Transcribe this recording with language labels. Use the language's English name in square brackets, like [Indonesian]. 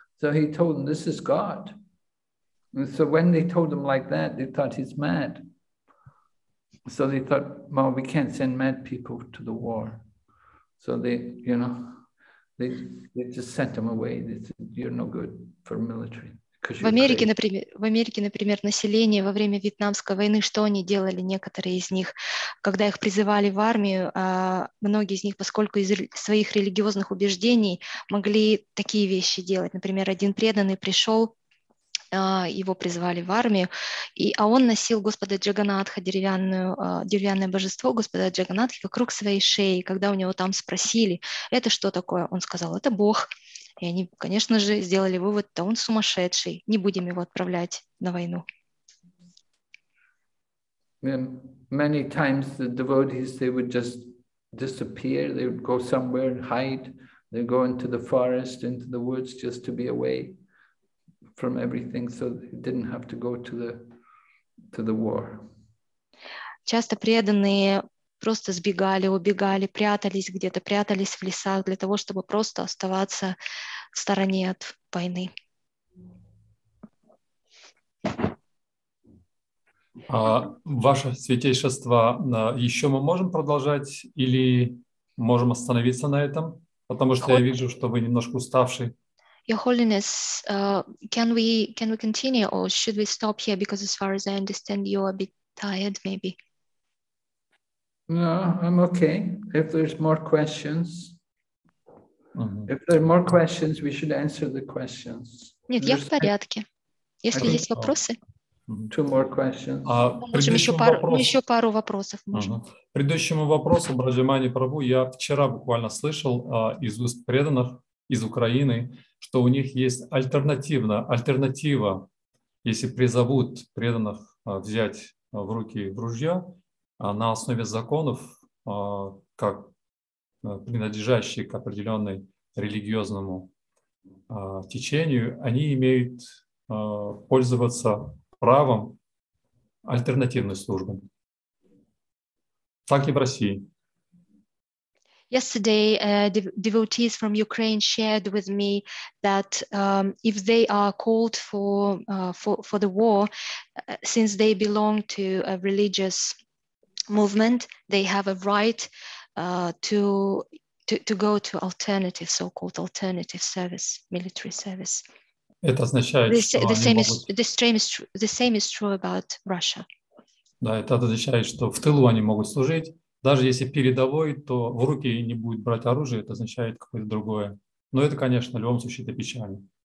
[English] So he told them, "This is God." And so when they told him like that, they thought he's mad. So they thought, well, we can't send mad people to the war. So they, you know, they just sent him away. They said, you're no good for military. [Russian] В Америке, например, население во время Вьетнамской войны, что они делали, некоторые из них, когда их призывали в армию, многие из них, поскольку из своих религиозных убеждений, могли такие вещи делать. Например, один преданный пришел, его призвали в армию, а он носил Господа Джаганатха, деревянное божество Господа Джаганатхи, вокруг своей шеи. Когда у него там спросили, это что такое, он сказал, это Бог. И они, конечно же, сделали вывод, что он сумасшедший, не будем его отправлять на войну. [English] Many times the devotees, they would just disappear, they would go somewhere and hide, they'd go into the forest, into the woods, just to be away from everything, so they didn't have to go to the war. [Russian] Часто преданные просто сбегали, убегали, прятались где-то, прятались в лесах для того, чтобы просто оставаться в стороне от войны. Ваше святейшество, еще мы можем продолжать или можем остановиться на этом? Потому что я вижу, что вы немножко уставший. [English] Your Holiness, can we continue or should we stop here? Because as far as I understand, you're a bit tired, maybe. No, I'm okay. If there's more questions, if there are more questions, we should answer the questions. [Russian] Нет, я в порядке. Если есть вопросы. [English] Two more questions. [Russian] Мы еще пару вопросов. Предыдущему вопросу, Браджамани Прабу, я вчера буквально слышал из уст преданных из Украины, что у них есть альтернатива, если призовут преданных взять в руки ружья, на основе законов, как принадлежащие к определенной религиозному течению, они имеют пользоваться правом альтернативной службы. Так и в России. [English] Yesterday, devotees from Ukraine shared with me that if they are called for the war, since they belong to a religious movement, they have a right to go to alternative, so-called alternative service, military service. [Russian] Это означает, [English] The same is true about Russia. [Russian] Да, это означает, что в тылу они могут служить. Даже если передовой, то в руки не будет брать оружие, это означает какое-то другое. Но это, конечно, в любом случае, это печально.